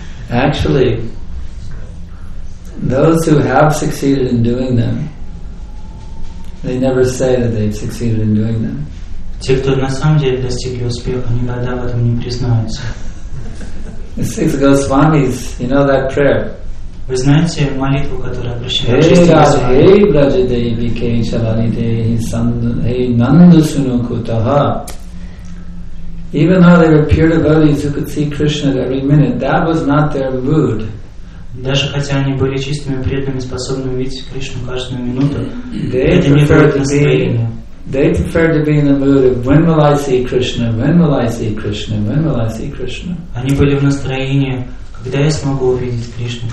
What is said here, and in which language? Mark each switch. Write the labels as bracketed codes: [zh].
[en] Actually, those who have succeeded in doing them, they never say that they've succeeded in doing them. [ru] Те, кто на самом деле достигли успеха, никогда в этом не признаются. [en] The six Госвамис, you know that prayer. [ru] Вы знаете молитву, которая обращена к шести Госвами? [sa] Hey, Braja Devi, Keshavani Devi, Hey, Nanda Sunukutaha. [en] Even though they were pure devotees who could see Krishna at every minute, that was not their mood. [ru] Даже хотя они были чистыми преданными, способными видеть Кришну каждую минуту, это не было настроение. [en] They preferred to be in the mood of when will I see Krishna? When will I see Krishna? When will I see Krishna? [ru] Они были в настроении, когда я смогу увидеть Кришну?